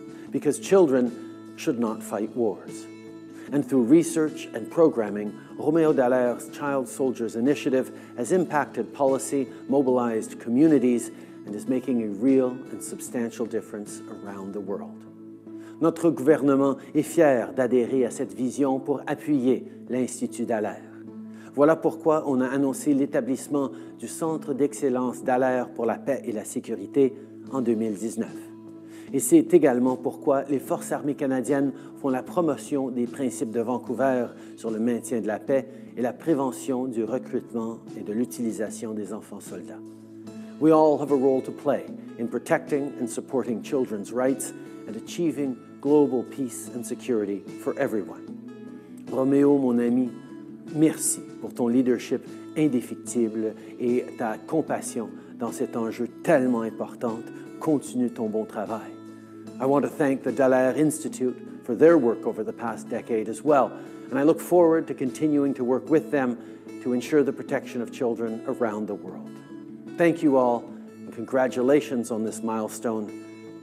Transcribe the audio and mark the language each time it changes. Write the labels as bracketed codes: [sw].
[en] Because children should not fight wars. And through research and programming, Roméo Dallaire's Child Soldiers Initiative has impacted policy, mobilized communities, and is making a real and substantial difference around the world. [fr] Notre gouvernement est fier d'adhérer à cette vision pour appuyer l'Institut Dallaire. Voilà pourquoi on a annoncé l'établissement du Centre d'excellence Dallaire pour la paix et la sécurité en 2019. Et c'est également pourquoi les Forces armées canadiennes font la promotion des principes de Vancouver sur le maintien de la paix et la prévention du recrutement et de l'utilisation des enfants soldats. [en] We all have a role to play in protecting and supporting children's rights and achieving global peace and security for everyone. [fr] Roméo, mon ami, merci pour ton leadership indéfectible et ta compassion dans cet enjeu tellement important. Continue ton bon travail. [en] I want to thank the Dallaire Institute for their work over the past decade as well, and I look forward to continuing to work with them to ensure the protection of children around the world. Thank you all, and congratulations on this milestone.